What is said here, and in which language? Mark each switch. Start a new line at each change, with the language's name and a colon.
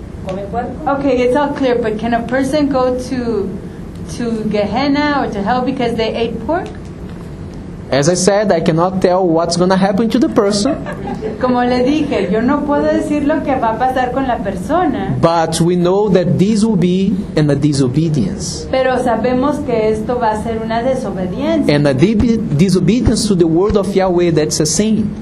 English: Okay, it's all clear, but can a person go to Gehenna or to hell because they ate pork? As I said, I cannot tell what's going to happen to the person.
Spanish: Como le dije, yo no puedo decir lo que va a pasar con la persona.
English: But we know that this will be in a disobedience.
Spanish: Pero sabemos que esto va a ser una desobediencia.
English: And a disobedience to the word of Yahweh, that's a sin.